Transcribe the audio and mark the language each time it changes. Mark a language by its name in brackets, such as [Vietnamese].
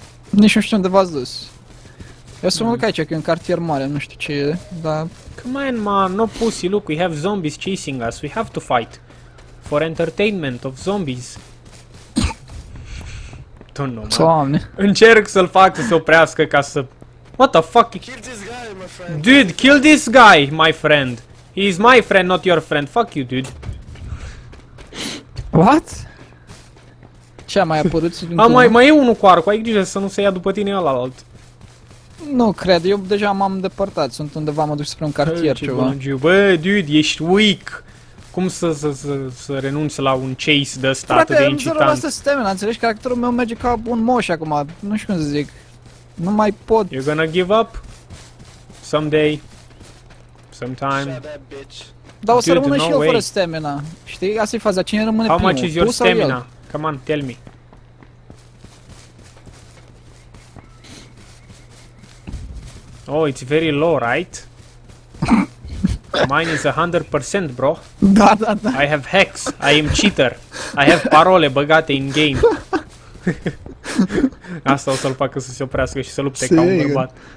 [Romanian] Nici nu știu unde v-ați dus. Eu să mă duc aici, că e un cartier mare. Nu știu ce e, dar... [English] Come on, man. No pussy. Look, we have zombies chasing us. We have to fight. For entertainment of zombies. [Romanian] Doamne. Încerc să-l fac să se oprească ca să... [English] What the fuck? Kill this guy, my friend. Dude, kill this guy, my friend. He's my friend, not your friend. Fuck you, dude. What? [Romanian] Ce a mai apărut? mai e unul cu arco. Ai grijă să nu se ia după tine ălalt. Nu cred. Eu deja m-am depărtat. Sunt undeva, mă duc spre un cartier, ce ceva. Bă, dude, ești weak. Cum să renunți la un chase de ăsta atât de incitant? Frate, îmi zără asta stamina, înțelegi? Caracterul meu merge ca un moș acum, nu știu cum să zic. Nu mai pot. [English] You're gonna give up? Someday. Sometime. [Romanian] Dar o să rămână și eu fără stamina. Știi? Asta e faza. Cine rămâne primul? [English] How much is your stamina? Come on, tell me. Oh, it's very low, right? Mine is 100%, bro. [Romanian] Da, da, da. [English] I have hex. I am cheater. I have [Romanian] parole băgate [English] in game. [Romanian] Asta o să-l facă să se oprească și să lupte ca un bărbat.